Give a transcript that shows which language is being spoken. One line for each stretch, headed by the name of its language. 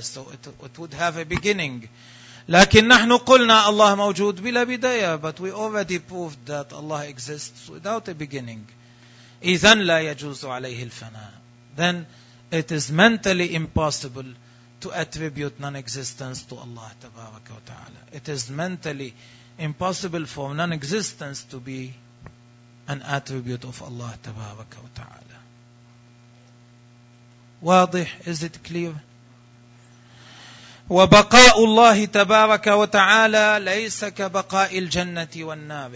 English: So it would have a beginning.
Arabic: لكن نحن قلنا الله موجود بلا بداية.
English: But we already proved that Allah exists without a beginning.
Arabic: إذن لا يجوز عليه الفناء.
English: Then it is mentally impossible to attribute non-existence to Allah
Arabic: تبارك وتعالى.
English: It is mentally impossible for non-existence to be an attribute of Allah
Arabic: تبارك وتعالى. واضح؟
English: Is it clear?
Arabic: وبقاء الله تبارك وتعالى ليس كبقاء الجنة والنار.